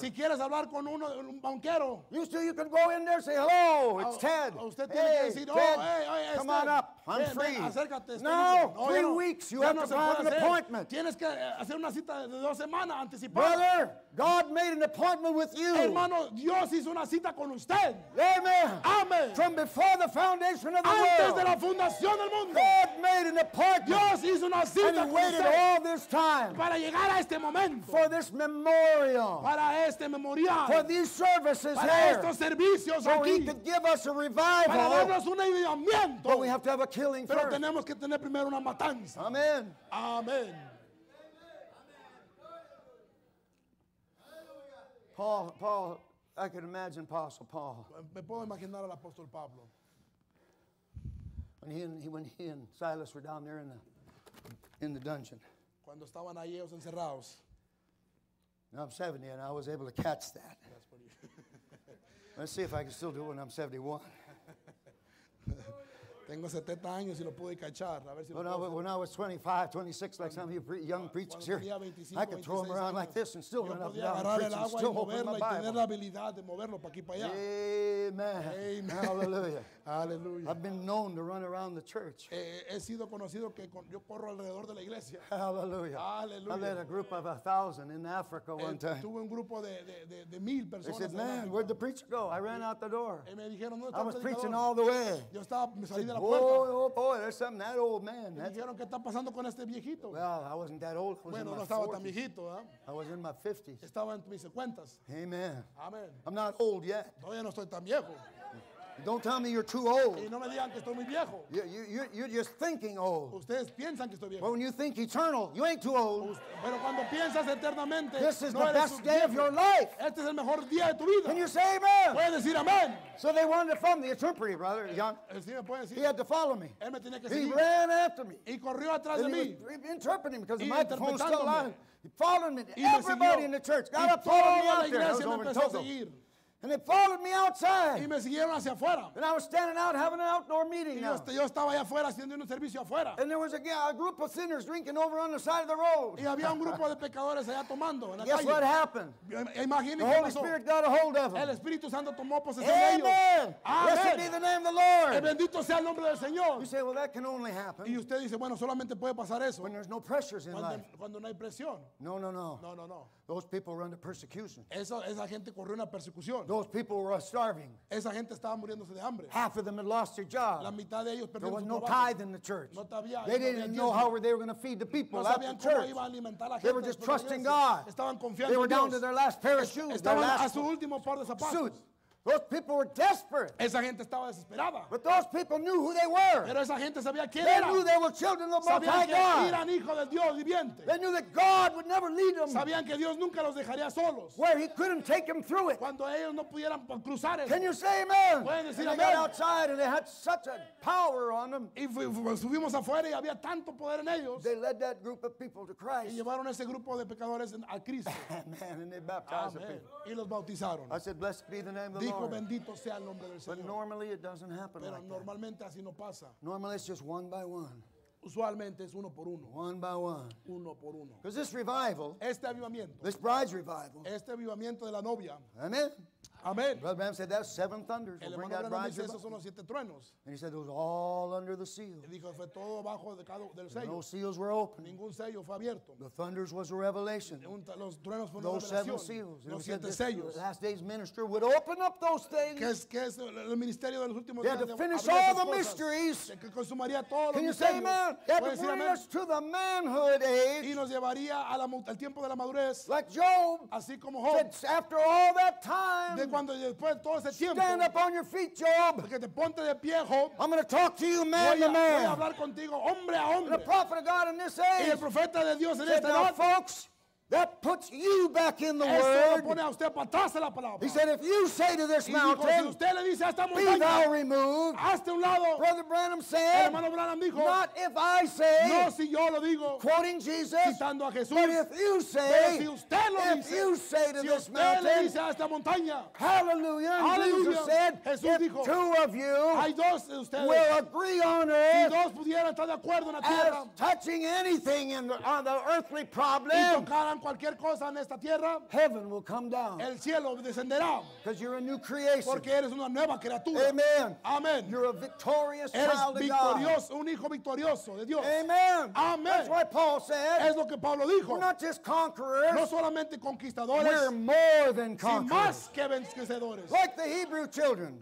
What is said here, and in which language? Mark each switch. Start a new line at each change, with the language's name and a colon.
Spanish: si quieres hablar con uno, un banquero,
English: you can go in there and say, hello, it's Ted.
Spanish: Usted tiene que decir, oh, Ted.
English: Hey, hey, come on up. I'm free.
Spanish: Acércate.
English: No, 3 weeks you have to have an appointment.
Spanish: Tienes que hacer una cita de 2 semanas anticipada.
English: Brother, God made an appointment with you.
Spanish: Hermano, Dios hizo una cita con usted.
English: Amen.
Spanish: Amen.
English: From before the foundation of the
Spanish: Antes
English: world.
Spanish: Antes de la fundación del mundo.
English: God made an appointment.
Spanish: Dios hizo una cita
English: and he waited all this time.
Spanish: Para llegar a este momento.
English: For this memorial.
Spanish: Para este memorial.
English: For these services
Spanish: para
English: here.
Spanish: Para estos servicios
English: so
Spanish: aquí.
English: So he could give us a revival.
Spanish: Para darnos un avivamiento.
English: But we have to have a killing
Spanish: Pero
English: first.
Spanish: Pero tenemos que tener primero una matanza.
English: Amen.
Spanish: Amen.
English: Paul, I can imagine Apostle Paul.
Spanish: Me puedo imaginar al apóstol Pablo.
English: When he and Silas were down there in the dungeon.
Spanish: Cuando estaban ahí ellos encerrados.
English: Now I'm 70 and I was able to catch that. That's pretty. Let's see if I can still do it when I'm 71.
Spanish: Tengo 70 años y lo pude cachar.
English: When I was 25, 26, like some of you young preachers here, I could throw them around like this and still run up and down and still open my Bible. Amen.
Spanish: Amen.
English: Hallelujah.
Spanish: Hallelujah.
English: I've been known to run around the church.
Spanish: He sido conocido que yo corro alrededor de la iglesia.
English: Hallelujah.
Spanish: Hallelujah.
English: I led a group of 1,000 in Africa one time.
Spanish: Tuve un grupo de 1,000 personas.
English: They said, man, where'd the preacher go? I ran out the door.
Spanish: Me dijeron,
English: I was preaching all the way.
Spanish: Yo estaba
English: Oh, there's something that old man.
Spanish: Dijeron qué está pasando con este viejito.
English: Well, I wasn't that old.
Spanish: Bueno, no estaba tan viejito,
English: I was in my 50s.
Spanish: Estaba en mis 50s.
English: Amen.
Spanish: Amen.
English: I'm not old yet.
Spanish: Todavía no estoy tan viejo.
English: Don't tell me you're too old.
Spanish: Y no me digan que estoy muy viejo.
English: You're just thinking old.
Spanish: Ustedes piensan que estoy viejo.
English: But when you think eternal, you ain't too old.
Spanish: Pero cuando piensas eternamente,
English: this is the best day of your life.
Spanish: Este es el mejor día de tu vida.
English: Can you say amen?
Spanish: Puedes decir amén.
English: So they wanted to follow me. The interpreter, brother, young. He had to follow me.
Spanish: Él me tenía que
English: he
Spanish: seguir.
English: Ran after me.
Spanish: Y corrió atrás
English: and
Spanish: de
English: he
Spanish: mí.
English: Was interpreting because the microphone was still alive. He followed me. Everybody in the church got up, followed me out there. I was over in Togo. And they followed me outside.
Spanish: Y me siguieron hacia afuera.
English: And I was standing out having an outdoor meeting.
Spanish: Y yo estaba allá afuera haciendo un servicio afuera.
English: And there was a group of sinners drinking over on the side of the road.
Spanish: Y había un grupo de pecadores allá tomando en la calle.
English: Guess what happened?
Spanish: Imagínense.
English: The Holy Spirit got a hold of them.
Spanish: El Espíritu Santo tomó posesión de
English: ellos. Amen. Blessed be the name of the Lord.
Spanish: El bendito sea el nombre del Señor.
English: You say, well, that can only happen.
Spanish: Y usted dice, bueno, solamente puede pasar eso.
English: When there's no pressures in life.
Spanish: Cuando no hay presión.
English: No, no, no.
Spanish: No, no, no.
English: Those people were under persecution.
Spanish: Esa gente corrió una persecución.
English: Those people were starving.
Spanish: Esa gente estaba muriéndose de hambre.
English: Half of them had lost their job.
Spanish: La mitad de ellos perdieron su
English: There was no tithe in the church.
Spanish: No tabía,
English: they didn't
Spanish: no
English: even know how they were going to feed the people
Spanish: no
English: at the church.
Spanish: Cómo iba a alimentar a la
English: they
Spanish: gente
English: were just trusting God.
Spanish: Estaban confiando
English: they were
Spanish: en
English: down
Spanish: Dios.
English: To their last pair of shoes.
Spanish: Estaban
English: their last
Spanish: a su último par de zapatos.
English: Suit. Those people were desperate.
Spanish: Esa gente estaba desesperada.
English: But those people knew who they were.
Spanish: Pero esa gente sabía quién
English: they
Spanish: era.
English: Knew they were children of the Most High God.
Spanish: Dios viviente.
English: They knew that God would never lead them.
Spanish: Sabían que Dios nunca los dejaría solos.
English: Where he couldn't take them through it.
Spanish: Cuando ellos no pudieran cruzar eso.
English: Can you say amen?
Spanish: ¿Pueden decir
English: and
Spanish: amen?
English: They got outside and they had such a power on them.
Spanish: Y subimos afuera y había tanto poder en ellos.
English: They led that group of people to Christ.
Spanish: Y llevaron ese grupo de pecadores a Cristo.
English: Amen. And they baptized amen. The people.
Spanish: Y los bautizaron.
English: I said, blessed be the name of the
Spanish: dijo,
English: Lord.
Spanish: Bendito sea el nombre del Señor.
English: But normally it doesn't happen
Spanish: pero
English: like
Spanish: normalmente
English: that.
Spanish: Así no pasa.
English: Normally it's just one by one.
Spanish: Usualmente es uno por uno.
English: One by one.
Spanish: Uno por uno.
English: Because this revival,
Spanish: este avivamiento,
English: this bride's revival,
Spanish: este avivamiento de la novia,
English: amen.
Spanish: Amen.
English: Brother Bam said that's seven thunders.
Spanish: El hermano Bam dice esos son los siete truenos.
English: And he said it was all under the seal.
Spanish: Y dijo fue todo bajo de cada del sello.
English: No seals were open.
Spanish: Ningún sello fue abierto.
English: The thunders was a revelation.
Spanish: Los truenos fueron
English: those seven seals.
Spanish: Los siete sellos.
English: The last day's minister would open up those things.
Spanish: Que es el ministerio de los últimos días.
English: He had to finish all the mysteries.
Spanish: Que consumaría todos los
English: misterios. Can you say amen? That would bring us to the manhood age.
Spanish: Y nos llevaría al tiempo de la madurez.
English: Like Job.
Spanish: Así como Job.
English: After all that time.
Spanish: Cuando después de todo ese tiempo,
English: stand up on your feet, Job.
Spanish: Porque te ponte de pie, Job.
English: I'm going to talk to you, man to man.
Spanish: Voy a hablar contigo, hombre a hombre.
English: The prophet of God in this age.
Spanish: Y el profeta de Dios en esta noche.
English: Folks, that puts you back in the word.
Spanish: Pone a usted para atrás la palabra.
English: He said, if you say to this
Spanish: y
English: mountain,
Spanish: si usted le dice a esta montaña,
English: be thou removed.
Spanish: Hazte un lado.
English: Brother Branham said,
Spanish: el hermano Branham dijo,
English: not if I say,
Spanish: no si yo lo digo,
English: quoting Jesus,
Spanish: citando a Jesús,
English: but if you say,
Spanish: pero si usted lo
English: if
Spanish: dice,
English: you say to
Spanish: si
English: this
Spanish: usted
English: mountain,
Spanish: le dice a esta montaña,
English: hallelujah,
Spanish: hallelujah.
English: Jesus said,
Spanish: Jesús
English: if
Spanish: dijo,
English: two of you
Spanish: hay dos de ustedes,
English: will agree on earth,
Spanish: si dos pudieran estar de acuerdo en la tierra,
English: as touching anything in the, on the earthly problem,
Spanish: cualquier cosa en esta tierra,
English: heaven will come down.
Spanish: El cielo descenderá.
English: Because you're a new creation.
Spanish: Porque eres una nueva criatura.
English: Amen.
Spanish: Amen.
English: You're a victorious
Spanish: eres
English: child
Spanish: victorioso,
English: of God.
Spanish: Un hijo victorioso de Dios.
English: Amen.
Spanish: Amen.
English: That's what Paul said.
Spanish: Es lo que Pablo dijo.
English: We're not just conquerors.
Spanish: No solamente conquistadores.
English: We're more than conquerors.
Spanish: Si más que vencedores.
English: Like the Hebrew children.